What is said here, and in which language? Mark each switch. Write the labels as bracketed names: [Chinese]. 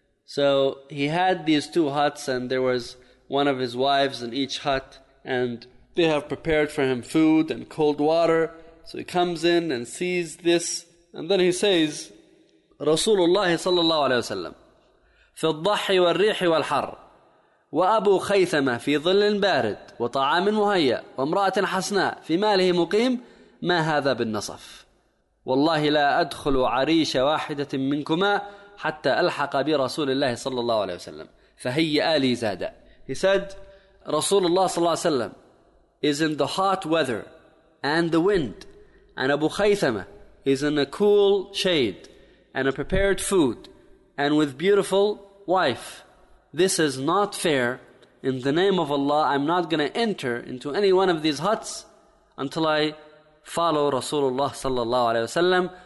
[English] So he had these two huts, and there was one of his wives in each hut, and they have prepared for him food and cold water. So he comes in and sees this, and then he says, "Rasulullah sallallahu alaihi wasallam, [Arabic] fi al-dhahi wal-rihi wal-har." وأبو خيثمة في ظل بارد وطعام مهيأ وامرأة حسناء في ماله مقيم ما هذا بالنصف والله لا أدخل عريش واحدة منكما حتى ألحق برسول الله صلى الله عليه وسلم فهيئ لي زادا. [English] He said, Rasulullah صلى الله عليه وسلم is in the hot weather and the wind, and Abu Khaythama is in a cool shade and a prepared food and with beautiful wife. This is not fair. In the name of Allah, I'm not going to enter into any one of these huts until I follow Rasulullah sallallahu alayhi wasallam.